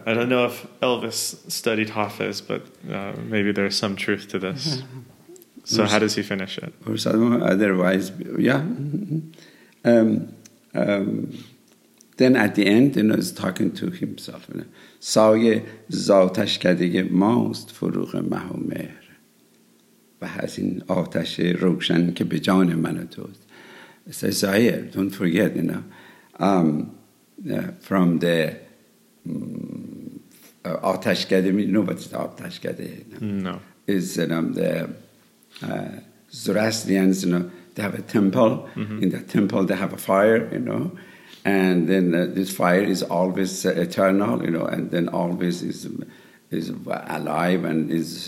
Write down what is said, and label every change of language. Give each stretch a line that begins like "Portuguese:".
English: I don't know if Elvis studied Hafez, but maybe there's some truth to this. So how does he finish it? Otherwise, yeah. Then at the end, you know, he's talking to himself.
Persian: سایه زاتش کدگه ماست فروغ مه و مهر و هزین آتش روشن که به جان من توست.
English: It says, Sayeh, don't forget, you know. From the Atashkade, you know what is the Atashkade? No. It's the Zoroastrians, you know, they have a temple. Mm-hmm. In the temple, they have a fire, you know, and then this fire is always eternal, you know, and then always is alive and is,